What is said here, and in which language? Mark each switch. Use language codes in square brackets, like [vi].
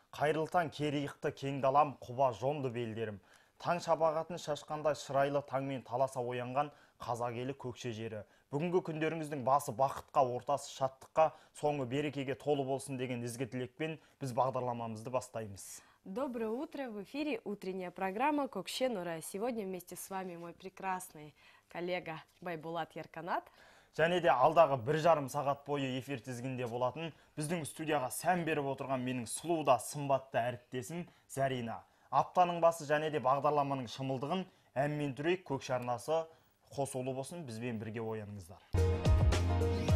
[kk] Қайырлы таң, кер иықты, кең далам, құба жонды белдерім. Таң шапағатын шашқанда шырайлы таңмен таласа оянған қазақ елі көкше жері. Бүгінгі күндеріңіздің басы бақытқа, ортасы шаттыққа, соңы берекеге толы болсын деген ізгі тілекпен біз бағдарламамызды бастаймыз. [ru] Доброе утро! В эфире утренняя программа «Кокше Нурай». Сегодня вместе с вами мой прекрасный коллега Байбулат Ерканат. [kk] Және де алдағы бір жарым сағат бойы эфир тізгінде болатын, біздің студияға сән беріп отырған менің сұлу да сымбатты әріптесім Зарина. Аптаның басы және де бағдарламаның шымылдығын әммен түрек көкші арнасы қосулы босын бізбен бірге ояныңыздар.